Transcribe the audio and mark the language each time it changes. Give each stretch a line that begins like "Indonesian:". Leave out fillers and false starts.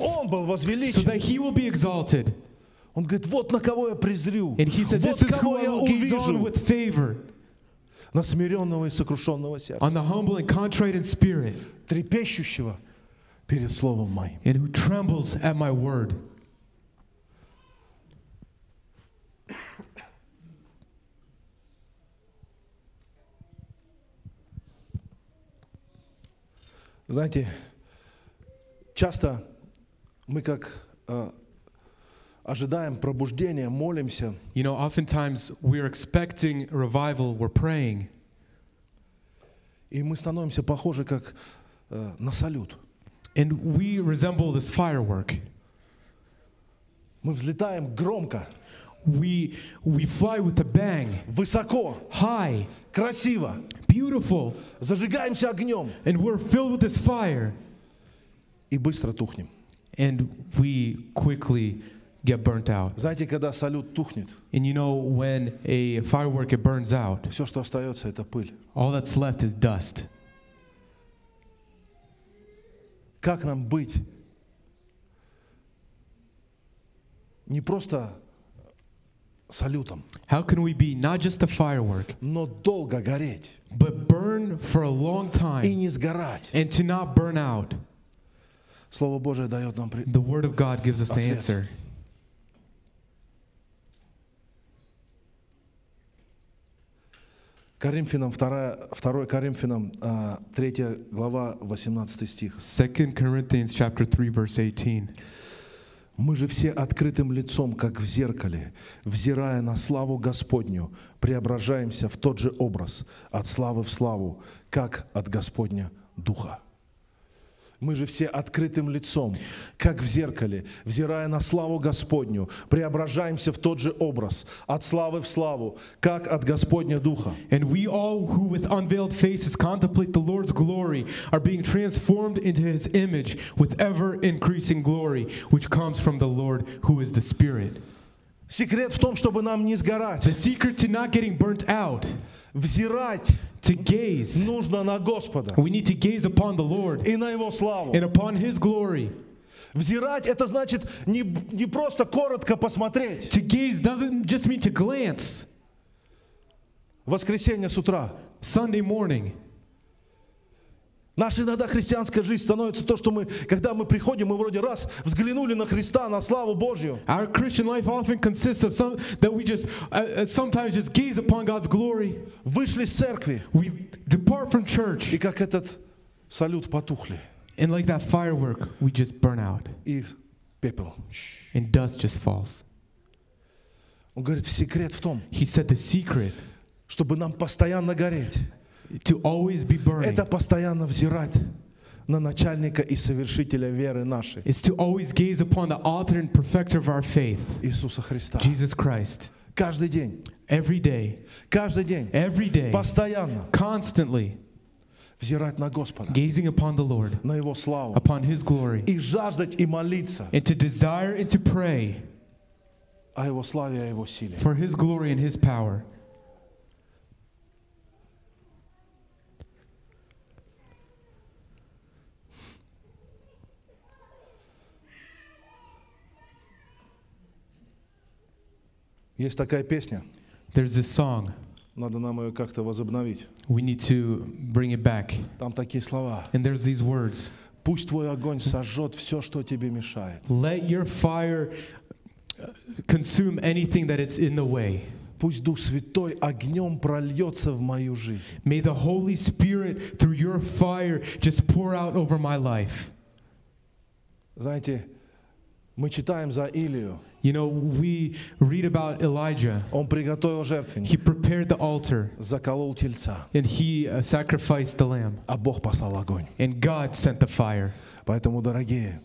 Russian: чтобы он был возвеличен,
English: so that he will be exalted.
Russian: Он говорит, вот на кого я презрю.
English: And he said, this
Russian: вот
English: is who I will gaze on with favor.
Russian: На смиренного и сокрушенного сердца.
English: On the humble and contrite in spirit.
Russian: Трепещущего перед словом моим.
English: And who trembles at my word.
Russian: Знаете, Часто мы как ожидаем пробуждения, молимся.
English: You know, oftentimes we are expecting revival, we're praying.
Russian: И мы становимся похожи как на салют.
English: And we resemble this firework.
Russian: Мы взлетаем громко.
English: We fly with a bang.
Russian: Высоко.
English: High.
Russian: Красиво.
English: Beautiful.
Russian: Зажигаемся огнем.
English: And we're filled with this fire.
Russian: И быстро тухнем.
English: And we quickly get burnt out.
Russian: Знаете, когда салют тухнет?
English: And you know when a firework it burns out.
Russian: Все, что остается, это пыль.
English: All that's left is dust.
Russian: Как нам быть не просто салютом?
English: How can we be not just a firework?
Russian: Но долго гореть.
English: But burn for a long time.
Russian: И не сгорать.
English: And to not burn out.
Russian: Слово Божие дает нам ответ.
English: The word of God gives us the answer.
Russian: Коринфянам 2 Коринфянам 3 глава 18 стих.
English: 2 Corinthians chapter 3 verse 18.
Russian: Мы же все открытым лицом, как в зеркале, взирая на славу Господню, преображаемся в тот же образ, от славы в славу, как от Господня Духа. Мы же все открытым лицом, как в зеркале, взирая на славу Господню, преображаемся в тот же образ, от славы в славу, как от Господня Духа.
English: And we all who with unveiled faces contemplate the Lord's glory are being transformed into His image with ever-increasing glory, which comes from the Lord, who is the Spirit.
Russian: Секрет в том, чтобы нам не сгорать.
English: The secret to not getting burnt out.
Russian: Взирать.
English: To gaze.
Russian: Нужно на Господа.
English: We need to gaze upon the Lord.
Russian: И на Его славу.
English: And upon His glory.
Russian: Взирать — это значит не просто коротко посмотреть.
English: To gaze doesn't just mean to glance.
Russian: Воскресенье с утра.
English: Sunday morning.
Russian: Наша иногда христианская жизнь становится то, что мы, когда мы приходим, мы вроде раз взглянули на Христа, на славу Божью.
English: Our Christian life often consists of some that we just sometimes just gaze upon God's glory.
Russian: Вышли из церкви.
English: We depart from church.
Russian: И как этот салют потухли.
English: And like that firework, we just burn out.
Russian: И пепел.
English: And dust just falls.
Russian: Он говорит, секрет в том.
English: He said the secret.
Russian: Чтобы нам постоянно гореть.
English: To always be burning.
Russian: Это постоянно взирать на начальника и совершителя веры нашей.
English: It's to always gaze upon the author and perfecter of our faith.
Russian: Иисуса Христа.
English: Jesus Christ.
Russian: Каждый день.
English: Every day.
Russian: Каждый день.
English: Every day.
Russian: Постоянно.
English: Constantly.
Russian: Взирать на Господа.
English: Gazing upon the Lord.
Russian: На Его славу.
English: Upon His glory.
Russian: И жаждать и молиться.
English: And to desire and to pray.
Russian: О Его славе, о Его силе.
English: For His glory and His power.
Russian: Есть такая песня.
English: There's this song.
Russian: Надо нам ее как-то возобновить.
English: We need to bring it back.
Russian: Там такие слова.
English: And there's these words.
Russian: Пусть твой огонь сожжет все, что тебе мешает.
English: Let your fire consume anything that is in the way.
Russian: Пусть Дух Святой огнем прольется в мою жизнь.
English: May the Holy Spirit through your fire just pour out over my life.
Russian: Знаете, мы читаем за Илию.
English: You know, we read about Elijah.
Russian: Он приготовил жертвенник.
English: He prepared the altar.
Russian: Заколол тельца.
English: And he sacrificed the lamb.
Russian: А Бог послал огонь.
English: And God sent the fire.
Russian: Поэтому, дорогие,